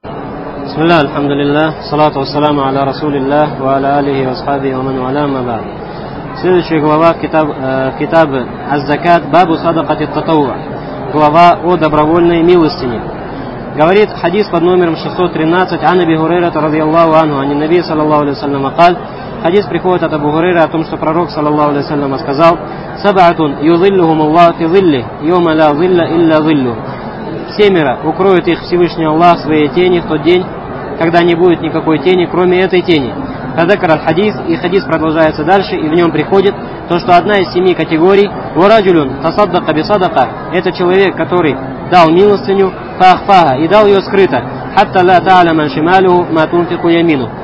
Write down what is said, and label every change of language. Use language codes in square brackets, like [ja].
[ar] بسم الله الحمد لله والصلاة والسلام على رسول الله وعلى آله وصحبه ومن والاه ما بعد. [ru] Следующая глава [ar] كتاب الزكاة باب صدقة التطوع [ru] глава о добровольной милостине. Говорит хадис под номером 613 [ar] عن أبي هريرة رضي الله عنه عن النبي صلى الله عليه وسلم قال. [ru] Хадис приходит от Абу Хурейры о том, что пророк, саллаллаху алейхи ва саллям, сказал: [ar] «Саба'атун юзиллюхум Аллах фи зилли, йома ла зилля илля зиллю». [ru] Семеро укроет их Всевышний Аллах в своей тени в тот день, когда не будет никакой тени, кроме этой тени. [ar] Хадакар аль-хадис, [ru] и хадис продолжается дальше, и в нем приходит то, что одна из семи категорий [ar] «Вараджулюн тасаддака бисадака» [ru] – это человек, который дал милостыню [ar] «Фахфаха» [ru] и дал ее скрыто [ar] «Хатта ла та'ля ман шималю ма тунфику ямину».